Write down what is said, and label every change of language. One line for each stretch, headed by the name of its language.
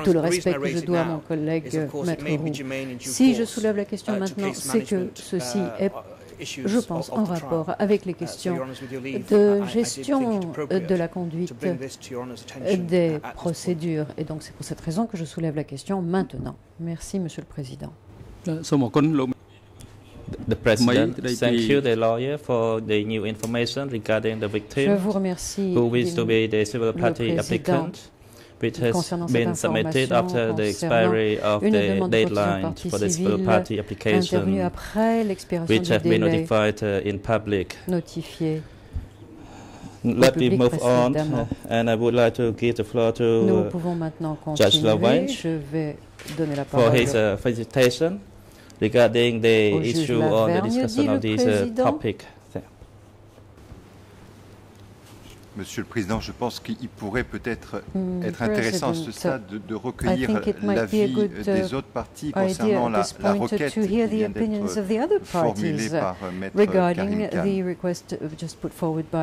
French: tout le respect que je dois à mon collègue Maître Roux. Si je soulève la question maintenant, c'est que ceci est, je pense, en rapport avec les questions de gestion de la conduite des procédures. Et donc, c'est pour cette raison que je soulève la question maintenant. Merci, Monsieur le Président.
English: the president thank you, the lawyer, for the new information regarding the victim who is to be the civil party applicant, which has been submitted after the expiry of the deadline for the civil party application, which have been notified in public. Let me move on, and I would like to give the floor to Judge Lavigne for his presentation regarding the issue on the discussion of this topic.
French: Monsieur le Président, je pense qu'il pourrait peut-être être intéressant à ce stade de recueillir l'avis des autres partis concernant la requête qui vient d'être formulée par Maître Karim Khan.